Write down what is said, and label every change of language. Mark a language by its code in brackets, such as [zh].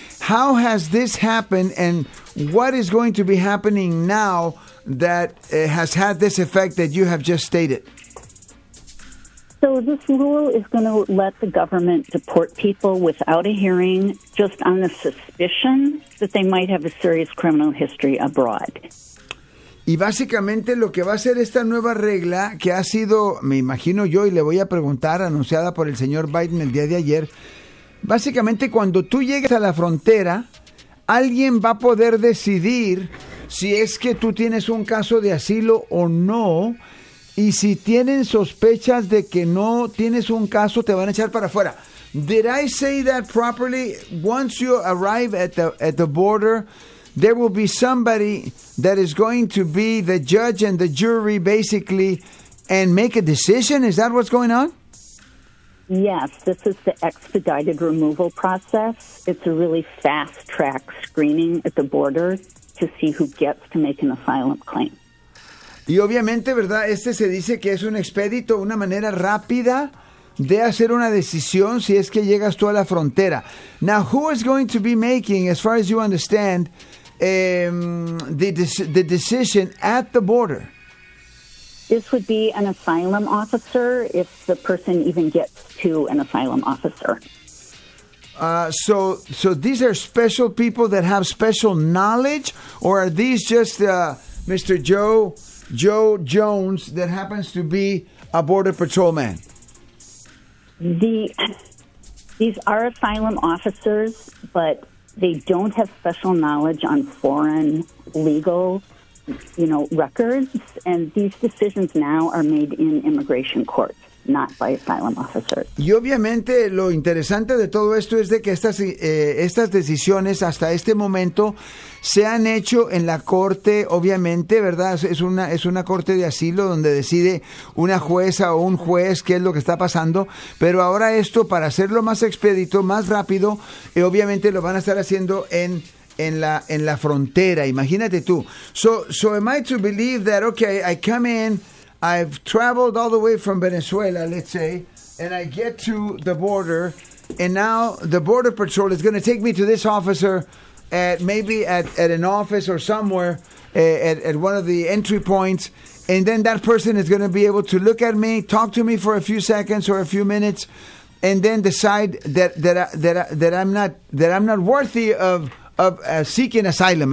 [en] How has this happened and what is going to be happening now that has had this effect that you have just stated? So this rule is going to let the government deport people without a hearing just on the suspicion that they might have a serious criminal history abroad. [es] Y básicamente lo que va a hacer esta nueva regla que ha sido, me imagino yo y le voy a preguntar, anunciada por el señor Biden el día de ayer, básicamente cuando tú llegues a la frontera, alguien va a poder decidir si es que tú tienes un caso de asilo o no. Y si tienen sospechas de que no tienes un caso, te van a echar para afuera. [en] Did I say that properly? Once you arrive at the border, there will be somebody that is going to be the judge and the jury, basically, and make a decision. Is that what's going on? Yes, this is the expedited removal process. It's a really fast-track screening at the border to see who gets to make an asylum claim. [es] Y obviamente, ¿verdad? Este se dice que es un expedito, una manera rápida de hacer una decisión si es que llegas tú a la frontera. [en] Now, who is going to be making, as far as you understand, the decision at the border? This would be an asylum officer, if the person even gets to an asylum officer. So these are special people that have special knowledge, or are these just Mr. Joe Jones that happens to be a Border Patrol man? These are asylum officers, but they don't have special knowledge on foreign legal, you know, records. And these decisions now are made in immigration courts, not by asylum officers. [es] Y obviamente lo interesante de todo esto es de que estas decisiones hasta este momento se han hecho en la corte, obviamente, ¿verdad? Es una corte de asilo donde decide una jueza o un juez qué es lo que está pasando. Pero ahora esto, para hacerlo más expedito, más rápido, obviamente lo van a estar haciendo en la frontera. Imagínate tú. [en] So am I to believe that, okay, I come in, I've traveled all the way from Venezuela, let's say, and I get to the border, and now the Border Patrol is going to take me to this officer at an office or somewhere at one of the entry points, and then that person is going to be able to look at me, talk to me for a few seconds or a few minutes, and then decide that I'm not worthy of seeking asylum.